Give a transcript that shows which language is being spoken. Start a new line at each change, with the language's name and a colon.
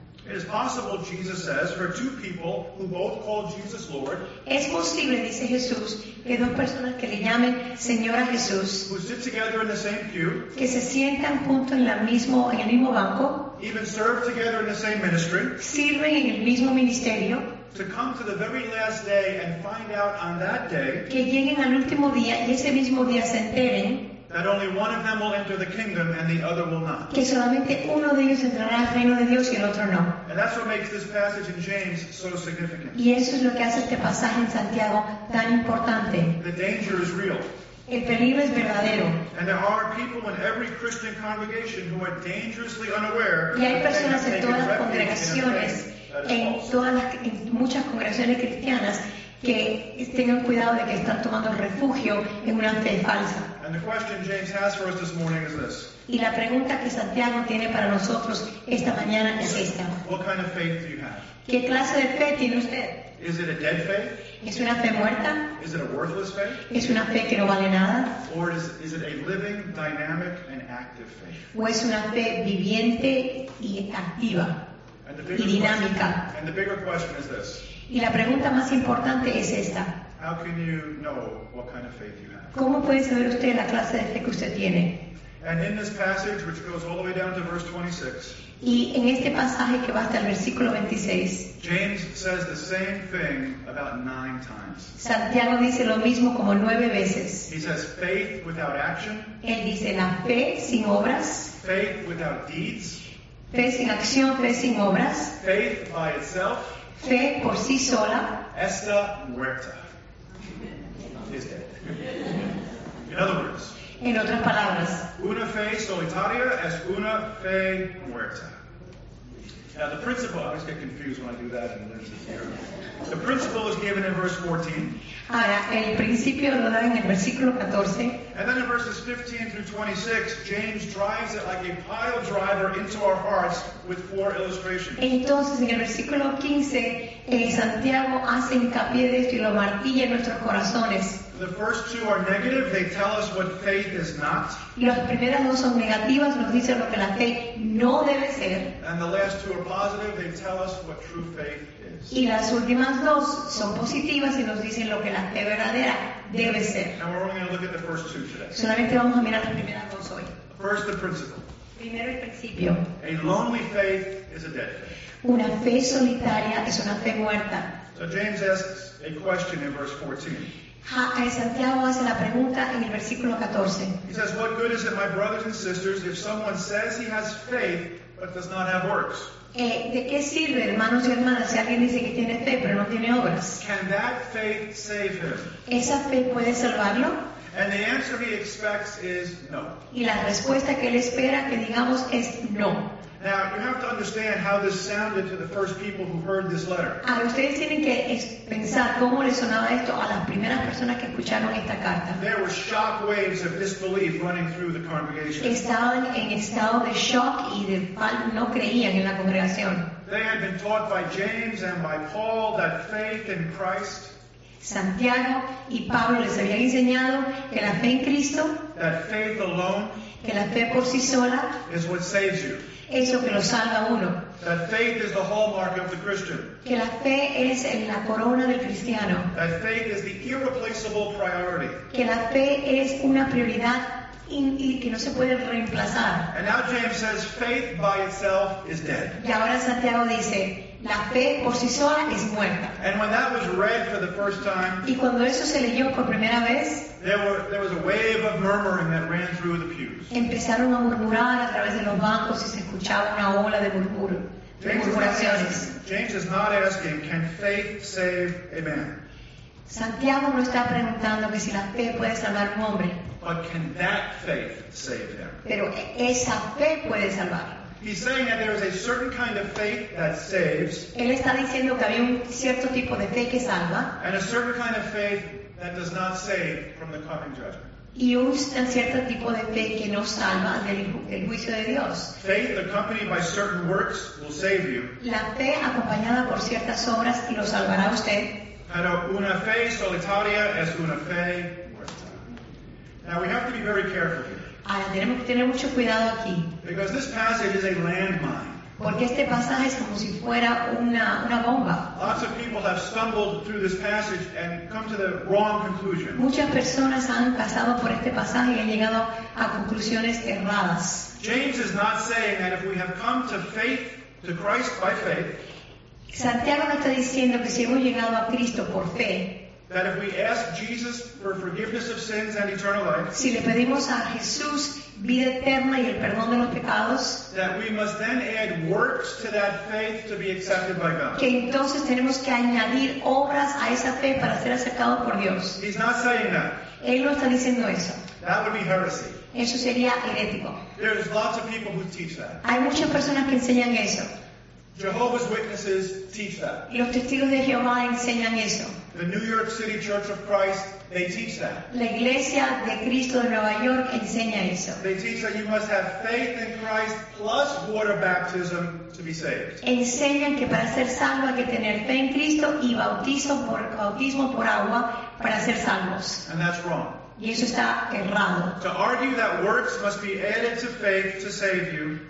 English: It is possible, Jesus says, for two people who both call Jesus Lord.
Spanish: Es posible, dice Jesús, que dos personas que le llamen Señor a Jesús.
English: Who sit together in the same pew.
Spanish: Que se sientan juntos en el mismo banco.
English: Even serve together in the same ministry.
Spanish: Sirven en el mismo ministerio.
English: To come to the very last day and find out on that day.
Spanish: Que lleguen al último día y ese mismo día se enteren.
English: That only one of them will enter the kingdom and the other will not.
Spanish: Que solamente uno de ellos entrará al reino de Dios y el otro no.
English: And that's what makes this passage in James so significant.
Spanish: Y eso es lo que hace este pasaje en Santiago tan importante.
English: The danger is real.
Spanish: El peligro es verdadero.
English: And there are people in every Christian congregation who are dangerously unaware.
Spanish: Y hay personas en todas las congregaciones, en muchas congregaciones cristianas, que tengan cuidado de que están tomando refugio en una fe falsa.
English: And the question James has for us this morning is this.
Spanish: Y la pregunta que Santiago tiene para nosotros esta mañana es esta.
English: What kind of faith do you have?
Spanish: ¿Qué clase de fe tiene usted?
English: Is it a dead faith?
Spanish: ¿Es una fe muerta?
English: Is it a worthless faith?
Spanish: ¿Es una fe que no vale nada?
English: Or is it a living, dynamic, and active faith?
Spanish: ¿O es una fe viviente y activa y dinámica?
English: And the bigger question is this.
Spanish: Y la pregunta más importante es esta.
English: How can you know what kind of faith you have?
Spanish: ¿Cómo puede saber usted la clase de fe que usted tiene?
English: And in this passage, which goes all the way down to verse 26.
Spanish: Y en este pasaje que va hasta el versículo 26.
English: James says the same thing about 9 times.
Spanish: Santiago dice lo mismo como 9 veces.
English: He says faith without action.
Spanish: Él dice la fe sin obras.
English: Faith without deeds.
Spanish: Fe sin acción, fe sin obras.
English: Faith by itself.
Spanish: Fe por sí sola. Esta muerta.
English: Is dead. In other words,
Spanish: en otras palabras, una fe solitaria es una fe muerta.
English: Now the principle, I always get confused when I do that in verses here. The principle is given in verse 14.
Spanish: Ahora, el principio lo da en el versículo 14.
English: And then in verses 15 through 26, James drives it like a pile driver into our hearts with 4 illustrations.
Spanish: Entonces, en el versículo 15, Santiago hace hincapié de esto y lo martilla en nuestros corazones.
English: The first two are negative. They tell us what faith is not.
Spanish: Las primeras dos son negativas, nos dicen lo que la fe no debe ser.
English: And the last two are positive. They tell us what true faith is.
Spanish: Y las últimas dos son positivas y nos dicen lo que la fe verdadera debe ser.
English: And we're only going to look at the first two today.
Spanish: Solamente vamos a mirar las primeras dos hoy.
English: First, the principle.
Spanish: Primero, el principio.
English: A lonely faith is a dead faith.
Spanish: Una fe solitaria es una fe muerta.
English: So James asks a question in verse 14.
Spanish: Santiago hace la pregunta en el versículo 14.
English: He says, what good is it, my brothers and sisters, if someone says he has faith but does not have works?
Spanish: ¿De qué sirve, hermanos y hermanas, si alguien dice que tiene fe pero no tiene obras?
English: Can that faith save him?
Spanish: ¿Esa fe puede salvarlo?
English: And the answer he expects is no.
Spanish: Y la respuesta que él espera que digamos es no.
English: Now, you have to understand how this sounded to the first people who heard this letter.
Spanish: Ahora, ustedes tienen que pensar cómo le sonaba esto a las primeras personas que escucharon esta carta.
English: There were shock waves of disbelief running through the congregation.
Spanish: Estaban en estado de shock y de no creían en la congregación.
English: They had been taught by James and by Paul that faith in Christ,
Spanish: Santiago y Pablo les habían enseñado que la fe en Cristo,
English: that faith alone,
Spanish: que la fe por sí sola
English: is what saves you.
Spanish: Es lo que lo salva a uno.
English: That faith is the hallmark of the Christian.
Spanish: Que la fe es en la corona del cristiano.
English: That faith is the irreplaceable priority.
Spanish: Que la fe es una prioridad y que no se puede reemplazar.
English: And now James says, faith by itself is dead.
Spanish: Y ahora Santiago dice, la fe por sí sola es muerta.
English: And when that was read for the first time,
Spanish: y cuando eso se leyó por primera vez,
English: there was a wave of murmuring that ran through the pews.
Spanish: Empezaron a murmurar a través de los bancos y se escuchaba una ola de murmuraciones.
English: James is not asking, can faith save a man?
Spanish: Santiago no está preguntando que si la fe puede salvar a un hombre.
English: But can that faith save him?
Spanish: Pero esa fe puede salvarlo.
English: He's saying that there is a certain kind of faith that saves.
Spanish: Él está diciendo que había un cierto tipo de fe que salva.
English: And a certain kind of faith that does not save from the coming judgment.
Spanish: Y un cierto tipo de fe que no salva del juicio de Dios.
English: Faith accompanied by certain works will save you.
Spanish: La fe acompañada por ciertas obras y lo salvará a usted. Pero una fe solitaria es una fe muerta.
English: Now we have to be very careful here.
Spanish: Ahora, tenemos que tener mucho cuidado aquí.
English: Because this passage is a landmine.
Spanish: Porque este pasaje es como si fuera una bomba.
English: Lots of people have stumbled through this passage and come to the wrong conclusion.
Spanish: Muchas personas han pasado por este pasaje y han llegado a conclusiones erradas.
English: James is not saying that if we have come to faith, to Christ by faith,
Spanish: Santiago no está diciendo que si hemos llegado a Cristo por fe,
English: that if we ask Jesus for forgiveness of sins and eternal life,
Spanish: si le pedimos a Jesús vida eterna y el perdón de los pecados,
English: that we must then add works to that faith to be accepted by God.
Spanish: Que entonces tenemos que añadir obras a esa fe para ser aceptado por Dios.
English: He's not saying that.
Spanish: Él no está diciendo eso.
English: That would be heresy.
Spanish: Eso sería herético.
English: There's lots of people who teach that.
Spanish: Hay muchas personas que enseñan eso.
English: Jehovah's Witnesses teach that.
Spanish: Los testigos de Jehová enseñan eso.
English: The New York City Church of Christ, they teach that.
Spanish: La Iglesia de Cristo de Nueva York enseña eso.
English: They teach that you must have faith in Christ plus water baptism to be saved.
Spanish: Enseñan que para ser salvo hay que tener fe en Cristo y bautismo por agua para ser salvos.
English: And that's wrong.
Spanish: Y eso está errado.
English: To argue that works must be added to faith to save you.